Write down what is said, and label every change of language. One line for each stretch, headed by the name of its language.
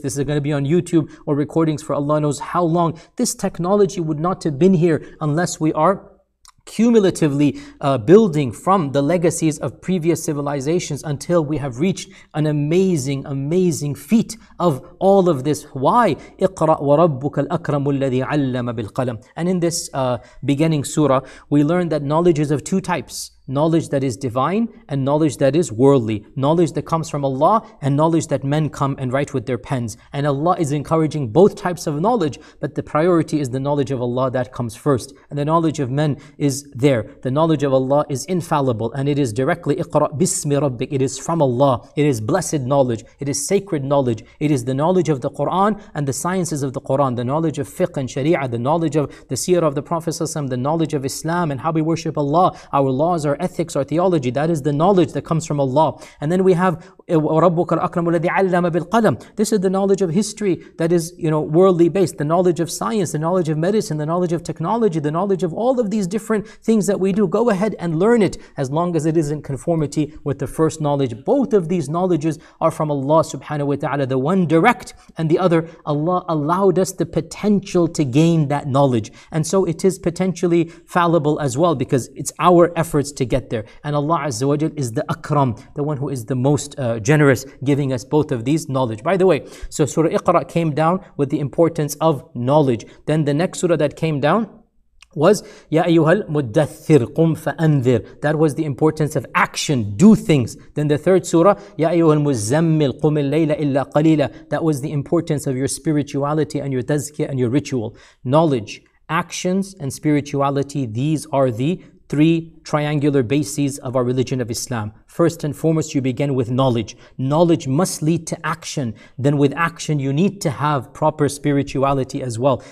English: This is going to be on YouTube or recordings for Allah knows how long. This technology would not have been here unless we are cumulatively building from the legacies of previous civilizations until we have reached an amazing, amazing feat of all of this. Why?
Arabic: اقرأ وربك الأكرم الذي علم بالقلم.
English: And in this beginning surah, we learn that knowledge is of two types. Knowledge that is divine and knowledge that is worldly. Knowledge that comes from Allah and knowledge that men come and write with their pens. And Allah is encouraging both types of knowledge, but the priority is the knowledge of Allah that comes first. And the knowledge of men is there. The knowledge of Allah is infallible and it is directly
Arabic: اقرأ بسم ربك.
English: It is from Allah. It is blessed knowledge. It is sacred knowledge. It is the knowledge of the Quran and the sciences of the Quran. The knowledge of fiqh and sharia. The knowledge of the seerah of the Prophet ﷺ. The knowledge of Islam and how we worship Allah. Our laws, our ethics, our theology, that is the knowledge that comes from Allah. And then we have
Arabic: وَرَبُّكَ الْأَكْرَمُ الَّذِي عَلَّمَ بِالْقَلَمِ.
English: This is the knowledge of history that is, you know, worldly based, the knowledge of science, the knowledge of medicine, the knowledge of technology, the knowledge of all of these different things that we do. Go ahead and learn it as long as it is in conformity with the first knowledge. Both of these knowledges are from Allah subhanahu wa ta'ala, the one direct and the other, Allah allowed us the potential to gain that knowledge. And so it is potentially fallible as well because it's our efforts to get there. And Allah Azza wa Jal is the Akram, the one who is the most generous, giving us both of these knowledge. By the way, so Surah Iqra came down with the importance of knowledge. Then the next surah that came down was
Arabic: يَا أَيُّهَا الْمُدَّثِّرُ قُمْ فَأَنذِرُ.
English: That was the importance of action, do things. Then the third surah,
Arabic: يَا أَيُّهَا الْمُزَّمِّلُ قُمِ اللَّيْلَ إِلَّا قَلِيلًا.
English: That was the importance of your spirituality and your tazkiyah and your ritual. Knowledge, actions, and spirituality, these are the three triangular bases of our religion of Islam. First and foremost, you begin with knowledge. Knowledge must lead to action. Then with action, you need to have proper spirituality as well.